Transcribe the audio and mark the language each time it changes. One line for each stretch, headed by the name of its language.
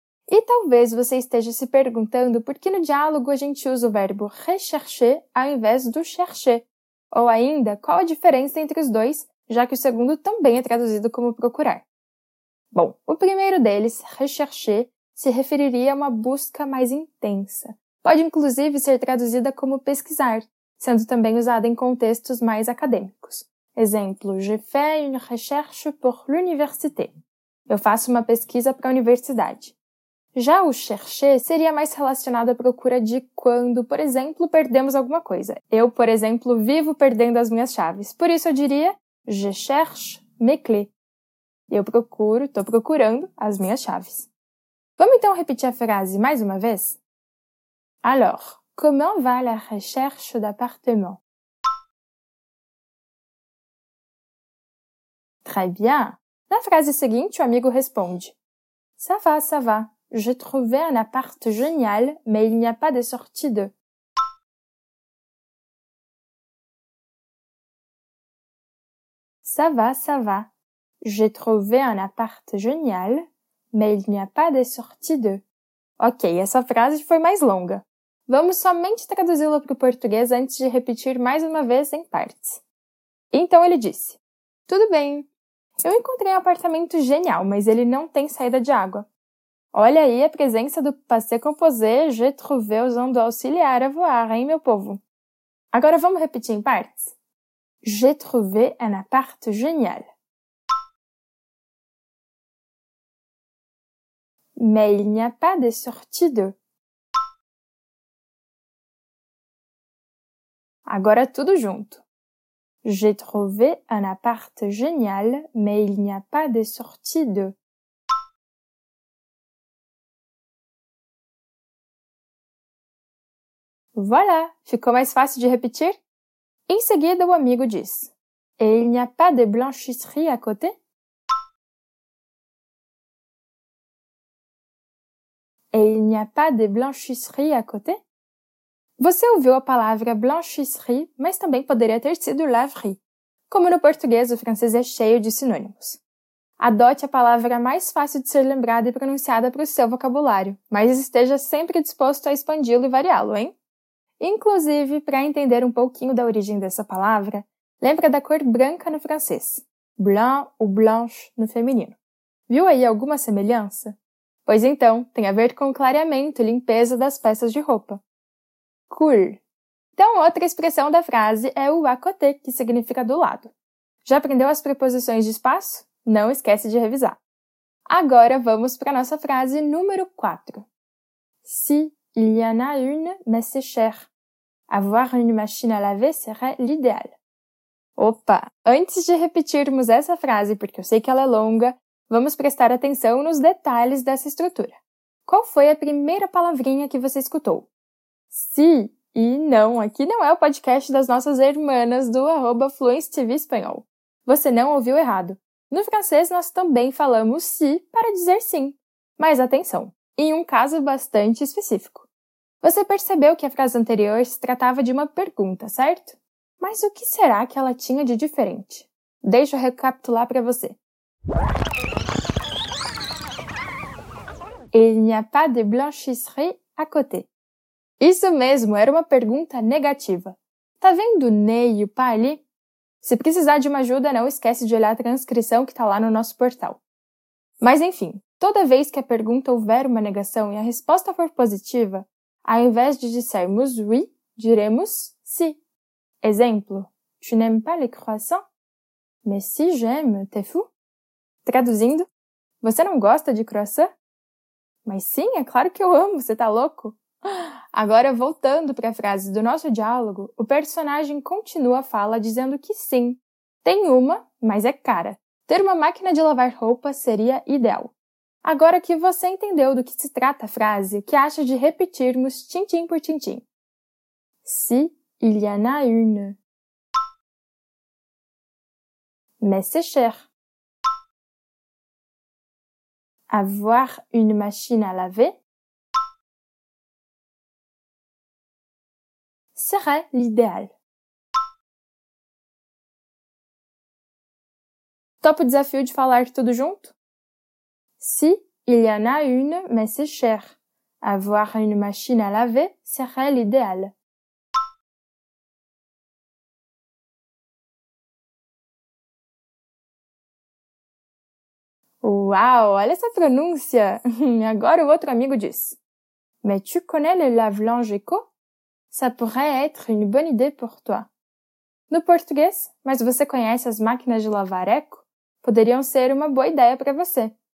Portuguese: E talvez você esteja se perguntando por que no diálogo a gente usa o verbo rechercher ao invés do chercher, ou ainda qual a diferença entre os dois, já que o segundo também é traduzido como procurar. Bom, o primeiro deles, rechercher, se referiria a uma busca mais intensa. Pode, inclusive, ser traduzida como pesquisar, sendo também usada em contextos mais acadêmicos. Exemplo,
French: je fais une recherche pour l'université.
Portuguese: Eu faço uma pesquisa para a universidade. Já o chercher seria mais relacionado à procura de quando, por exemplo, perdemos alguma coisa. Eu, por exemplo, vivo perdendo as minhas chaves. Por isso eu diria,
French: je cherche mes clés.
Portuguese: Eu procuro, estou procurando as minhas chaves. Vamos então repetir a frase mais uma vez?
French: Alors, comment va la recherche d'appartement? Très bien.
Portuguese: Na frase seguinte, o amigo responde.
French: Ça va, ça va. J'ai trouvé un appart génial, mais il n'y a pas de sortie de. Ça va, ça va. J'ai trouvé un appart génial, mais il n'y a pas de sortie de.
Portuguese: Ok, essa frase foi mais longa. Vamos somente traduzi-la para o português antes de repetir mais uma vez em partes. Então ele disse, tudo bem, eu encontrei um apartamento genial, mas ele não tem saída de água. Olha aí a presença do passé composé,
French: j'ai trouvé
Portuguese: usando o auxiliar à voir, hein, meu povo? Agora vamos repetir em partes?
French: J'ai trouvé un appart génial. Mais il n'y a pas de sortie de.
Portuguese: Agora tudo junto.
French: J'ai trouvé un appart génial, mais il n'y a pas de sortie de.
Portuguese: Voilà! Ficou mais fácil de repetir? Em seguida, o amigo diz.
French: Et il n'y a pas de blanchisserie à côté? Et il n'y a pas de blanchisserie à côté?
Portuguese: Você ouviu a palavra blanchisserie, mas também poderia ter sido laverie. Como no português, o francês é cheio de sinônimos. Adote a palavra mais fácil de ser lembrada e pronunciada para o seu vocabulário, mas esteja sempre disposto a expandi-lo e variá-lo, hein? Inclusive, para entender um pouquinho da origem dessa palavra, lembra da cor branca no francês, blanc ou blanche no feminino. Viu aí alguma semelhança? Pois então, tem a ver com clareamento e limpeza das peças de roupa. Cool. Então, outra expressão da frase é o à côté, que significa do lado. Já aprendeu as preposições de espaço? Não esquece de revisar. Agora, vamos para a nossa frase número 4.
French: Si il y en a une, mais c'est cher. Avoir une machine à laver serait l'idéal.
Portuguese: Opa! Antes de repetirmos essa frase, porque eu sei que ela é longa, vamos prestar atenção nos detalhes dessa estrutura. Qual foi a primeira palavrinha que você escutou? Si e não, aqui não é o podcast das nossas irmãs do arroba FluenceTV Espanhol. Você não ouviu errado. No francês, nós também falamos si para dizer sim. Mas atenção, em um caso bastante específico. Você percebeu que a frase anterior se tratava de uma pergunta, certo? Mas o que será que ela tinha de diferente? Deixa eu recapitular para você.
French: Il n'y a pas de blanchisserie à côté.
Portuguese: Isso mesmo, era uma pergunta negativa. Tá vendo o ne e o pa ali? Se precisar de uma ajuda, não esquece de olhar a transcrição que está lá no nosso portal. Mas enfim, toda vez que a pergunta houver uma negação e a resposta for positiva, ao invés de dissermos oui, diremos si. Exemplo,
French: tu n'aimes pas les croissants? Mais si j'aime, t'es fou?
Portuguese: Traduzindo, você não gosta de croissant? Mas sim, é claro que eu amo, você tá louco? Agora, voltando para a frase do nosso diálogo, o personagem continua a fala dizendo que sim, tem uma, mas é cara. Ter uma máquina de lavar roupa seria ideal. Agora que você entendeu do que se trata a frase, que acha de repetirmos tintim por tintim?
French: Si il y en a une. Mais c'est cher. Avoir une machine à laver? Serait l'idéal.
Portuguese: Top o desafio de falar tudo junto?
French: Si il y en a une, mais c'est cher. Avoir une machine à laver serait l'idéal.
Portuguese: Uau, olha essa pronúncia! Agora o outro amigo diz.
French: Mais tu connais le lave-linge éco? Ça pourrait être une bonne idée pour toi.
Portuguese: No português, mas você conhece as máquinas de lavar eco? Poderiam ser uma boa ideia para você.